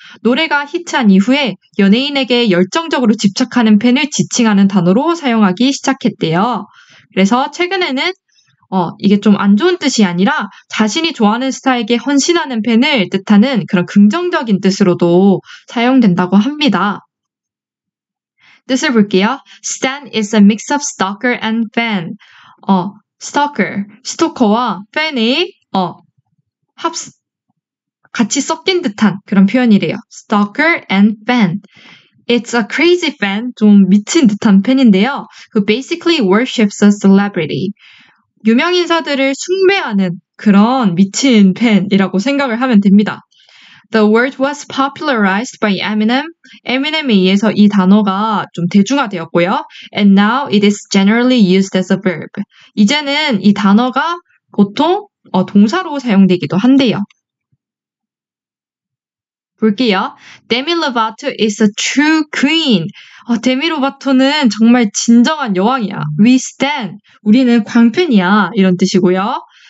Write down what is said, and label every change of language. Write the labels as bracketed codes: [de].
[ko] 노래가 히트한 이후에 연예인에게 열정적으로 집착하는 팬을 지칭하는 단어로 사용하기 시작했대요. 그래서 최근에는 이게 좀안 좋은 뜻이 아니라 자신이 좋아하는 스타에게 헌신하는 팬을 뜻하는 그런 긍정적인 뜻으로도 사용된다고 합니다. 뜻을 볼게요. [en] Stan is a mix of stalker and fan. [ko] Stalker, 스토커와 팬이 같이 섞인 듯한 그런 표현이래요. [en] Stalker and fan. It's a crazy fan. [ko] 좀 미친 듯한 팬인데요. [en] Who basically worships a celebrity. [ko] 유명 인사들을 숭배하는 그런 미친 팬이라고 생각을 하면 됩니다. [en] The word was popularized by Eminem. [ko] Eminem에 의해서 이 단어가 좀 대중화되었고요. [en] And now it is generally used as a verb. [ko] 이제는 이 단어가 보통 동사로 사용되기도 한대요. 볼게요. [en] Demi Lovato is a true queen. [ko] 데미 로바토는 정말 진정한 여왕이야. [en] We stand. [ko] 우리는 광팬이야. 이런 뜻이고요.